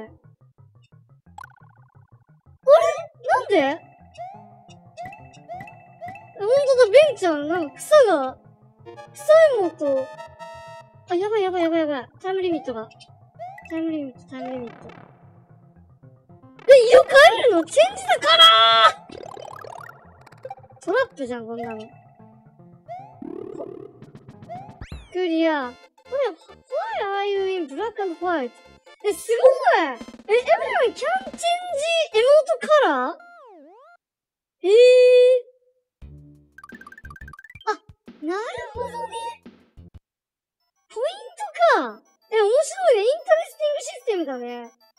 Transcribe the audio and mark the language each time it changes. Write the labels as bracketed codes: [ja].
[ja] あれ、なんで、え、ほんとだ、ベンちゃん、なんか草が、草いもと、あ、やばいやばいやばいやばい、タイムリミットが、タイムリミット、タイムリミット。え、色変えるの？チェンジだからトラップじゃん、こんなの。クリア。これ、 [en] why are you in black and white? [ja] え、すごい！ [en] え、エブリオン、キャンチェンジエモートカラー？ [ja] あ、なるほどね。ポイントか。え、面白いね。インタレスティングシステムだね。